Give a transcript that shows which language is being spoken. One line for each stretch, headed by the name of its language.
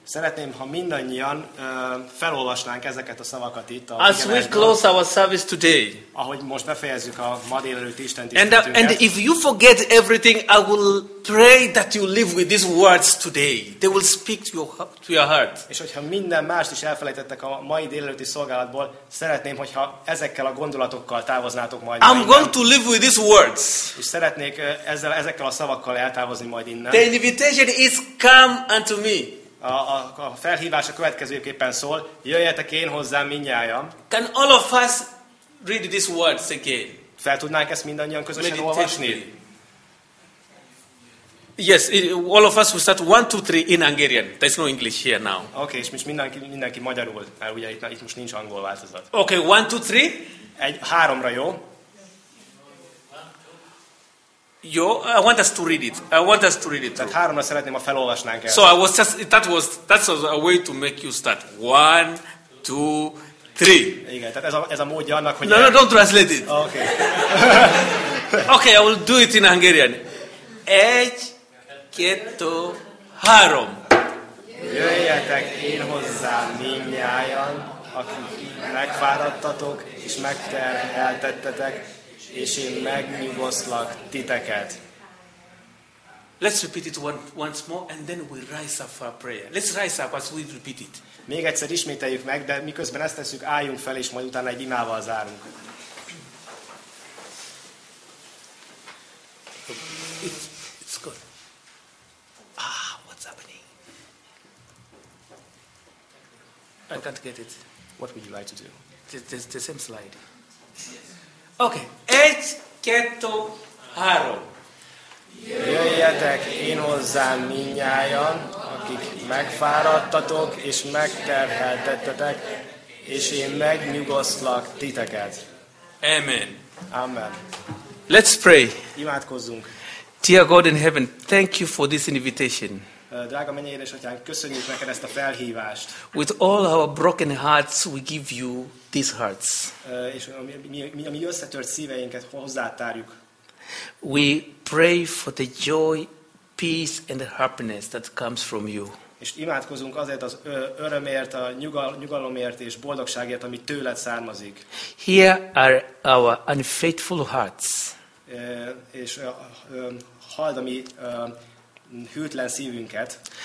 Hungarian: Szeretném, ha mindannyian felolvasnánk ezeket a szavakat itt a
English: As we close our service today.
Hungarian: Ahogy most befejezzük a ma délelőtti istentiszteletünket.
English: And if you forget everything, I will pray that you live with these words today. They will speak to your heart.
Hungarian: És hogyha minden mást is elfelejtettek a mai délelőtti szolgálatból, szeretném, hogyha ezekkel a gondolatokkal távoznátok majd.
English: I'm going to live with these words.
Hungarian: És szeretnék ezekkel a szavakkal eltávozni majd innen.
English: The invitation is come unto me.
Hungarian: A felhívás a következőképpen szól: jöjjetek én hozzám mindnyájan.
English: Can all of us read these words again?
Hungarian: Fel tudnánk ezt mindannyian közösen olvasni?
English: Yes, all of us will start 1, 2, 3 in Hungarian. There's no English here now.
Hungarian: Okay, és most mindenki magyarul, mert ugye itt most nincs angol változat.
English: Okay, 1, 2, 3.
Hungarian: Egy háromra, jó?
English: Jó, I want us to read it. I want us to read it.
Hungarian: Tehát háromra szeretném, ha felolvasnánk
English: ezt. So I was just, that was a way to make you start. 1, 2, 3.
Hungarian: Igen, tehát ez a módja annak, hogy...
English: No, don't translate it. Okay. Okay, I will do it in Hungarian.
Hungarian: Egy, kettő, három. Jöjjetek én hozzám mindnyájan, akik megfáradtatok és megterheltettetek, és én megnyugoszlak titeket.
English: Let's repeat it once more, and then we rise up for prayer. Let's rise up as we repeat it.
Hungarian: Még egyszer ismételjük meg, de miközben ezt tesszük, álljunk fel, és majd utána egy imával zárunk.
English: It's good. Ah, what's happening? I can't get it. What would you like to do? The same slide. Okay.
Hungarian: Egy, kettő, három. Jöjjetek én hozzám mindnyájan, akik megfáradtatok és megterheltettetek, és én megnyugosztlak titeket. Amen. Amen.
English: Let's pray.
Hungarian: Imádkozzunk.
English: Dear God in heaven, thank you for this invitation.
Hungarian: Drága mennyei édesatyánk, köszönjük neked ezt a felhívást.
English: With all our broken hearts, we give you these hearts.
Hungarian: És mi összetört szíveinket hozzátárjuk.
English: We pray for the joy, peace and the happiness that comes from you.
Hungarian: És imádkozunk azért az örömért, a nyugalomért és boldogságért, ami tőled származik.
English: Here are our unfaithful hearts.
Hungarian: És halld a mi hűtlen szívünket.